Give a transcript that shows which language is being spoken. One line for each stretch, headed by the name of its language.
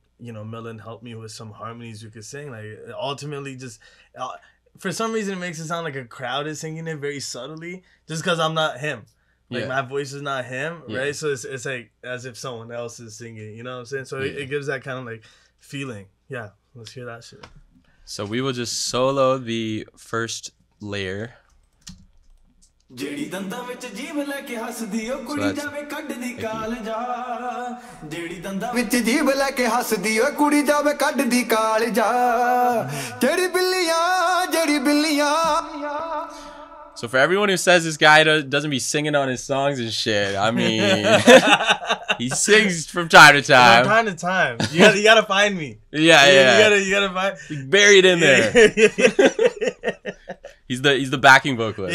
English: you know, Milan helped me with some harmonies we could sing. Like, ultimately, just for some reason, it makes it sound like a crowd is singing it very subtly, just because I'm not him. Like, yeah. My voice is not him, right? Yeah. So it's like as if someone else is singing, you know what I'm saying? So it gives that kind of like feeling. Yeah, let's hear that shit. So we will just solo the first layer.
Punjabi: ਜਿਹੜੀ ਦੰਦਾਂ ਵਿੱਚ ਜੀਭ ਲੈ ਕੇ ਹੱਸਦੀ ਉਹ ਕੁੜੀ ਜਾਵੇ ਕੱਢਦੀ ਕਾਲ ਜਾ ਜਿਹੜੀ ਦੰਦਾਂ ਵਿੱਚ ਜੀਭ ਲੈ ਕੇ ਹੱਸਦੀ ਉਹ ਕੁੜੀ ਜਾਵੇ ਕੱਢਦੀ ਕਾਲ ਜਾ ਜਿਹੜੀ ਬਿੱਲੀਆਂ ਜਿਹੜੀ ਬਿੱਲੀਆਂ.
English: So for everyone who says this guy doesn't be singing on his songs and shit, I mean, he sings from time to time. From time to time. You gotta find me. Yeah. You gotta find me. He's buried in there. he's the backing vocalist.